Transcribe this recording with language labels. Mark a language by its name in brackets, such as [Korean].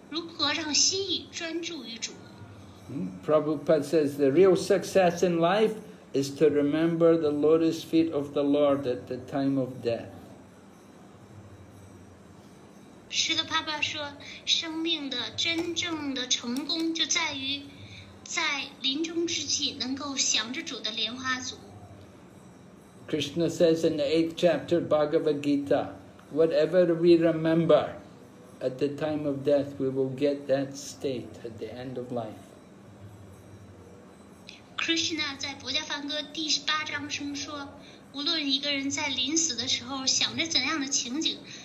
[Chinese] 所以在我们生命临终之际，这就是我们的期末考试，如何让心意专注于主。 [English] Prabhupada says the real success in life is to remember the lotus feet of the Lord at the time of death. [Chinese] 是的，爸爸说，生命的真正的成功就在于在临终之际能够想着主的莲花足。 [English] Krishna says in the 8th chapter, Bhagavad Gita, whatever we remember at the time of death, we will get that state at the end of life. [Chinese] Krishna 在《薄伽梵歌》第八章中说, 无论一个人在临死的时候想着怎样的情景,